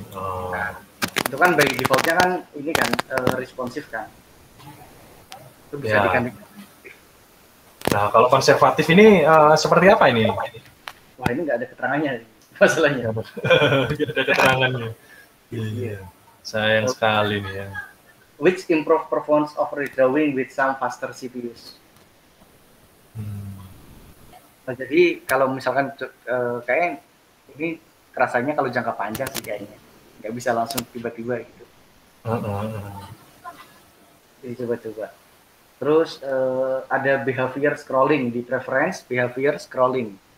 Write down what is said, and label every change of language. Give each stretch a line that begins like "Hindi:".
Indonesian: Nah, itu kan by defaultnya kan ini kan responsif kan. Itu bisa ya. Nah, kalau konservatif ini seperti apa ini? wah ini nggak ada keterangannya masalahnya. Nggak ada keterangannya. Iya. Yeah. Sayang sekali nih ya.
English: Which improve performance of redrawing with some faster CPUs?
Indonesian: Nah, jadi kalau misalkan kayak ini rasanya kalau jangka panjang sih kayaknya nggak bisa langsung tiba-tiba gitu. Jadi coba-coba. Terus ada behavior scrolling di preference, behavior scrolling.